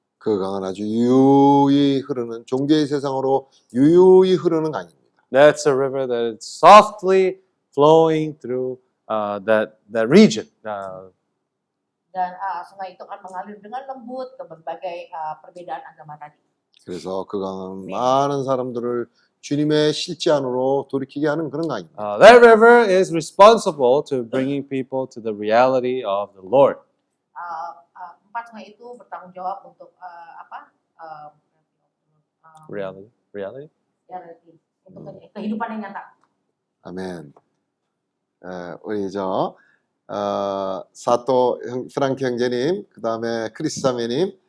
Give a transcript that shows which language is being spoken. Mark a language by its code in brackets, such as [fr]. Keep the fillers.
[ko] 그 강은 아주 유유히 흐르는 종교의 세상으로 유유히 흐르는 강입니다. [en] That's a river that is softly flowing through uh, that that region. Uh, [id] 돈 아, 아스나 itu kan mengalir dengan lembut ke berbagai uh, perbedaan agama tadi. [ko] 그래서 그 강은 많은 사람들을 주님의 실제 안으로 돌이키게 하는 그런 강입니다. Uh, [en] that river is responsible to bringing people to the reality of the Lord. [ko] 아, 아, 바탕 이또 뭐라고 좋아 본도 아빠? 어, [en] reality. reality. reality. 음. [ko] 아멘. 어, 우리 저 어, 사토 형, 프랑키 형제님, 그다음에 크리스 사매님 음.